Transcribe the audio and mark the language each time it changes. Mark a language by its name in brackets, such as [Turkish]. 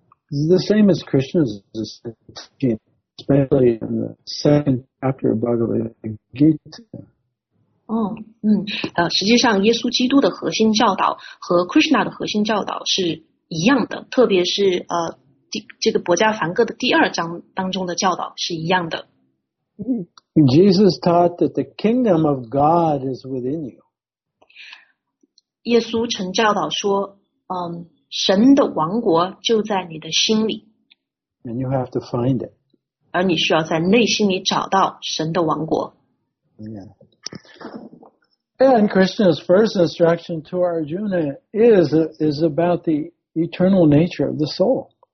[English] It's the same as Krishna's teaching, especially in the second chapter of Bhagavad Gita. [Chinese] 实际上耶稣基督的核心教导和 Krishna 的核心教导是一样的，特别是这个《薄伽梵歌》的第二章当中的教导是一样的。 [English] Jesus taught that the kingdom of God is within you. [Chinese] 耶稣曾教导说，神的王国就在你的心里。 [English] And you have to find it. [Chinese] 而你需要在内心里找到神的王国。 [English] Yeah. And Krishna's first instruction to Arjuna is about the eternal nature of the soul.